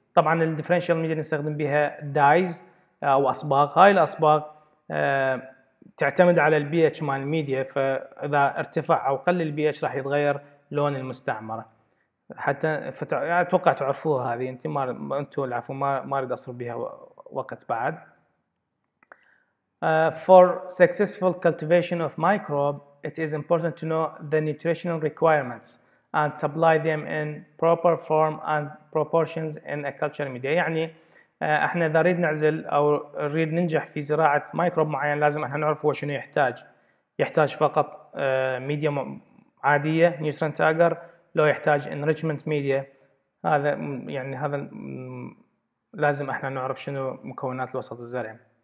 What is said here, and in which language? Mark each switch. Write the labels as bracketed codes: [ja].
[ar] طبعا الديفرنشيال ميديا نستخدم بها دايز او اصباغ، هاي الاصباغ تعتمد على البي اتش مال الميديا، فاذا ارتفع او قل البي اتش راح يتغير لون المستعمره. حتى اتوقع تعرفوها هذه انت، ما انتوا العفو ما اريد اصرف بها وقت بعد. [en] For successful cultivation of microbe, it is important to know the nutritional requirements and supply them in proper form and proportions in a culture media. [ar] يعني احنا اذا نريد نعزل او نريد ننجح في زراعه مايكروب معين لازم احنا نعرف هو شنو يحتاج. يحتاج فقط ميديا عاديه نيوترينت اجر، لو يحتاج انريتشمنت ميديا هذا يعني هذا لازم احنا نعرف شنو مكونات الوسط الزرعي.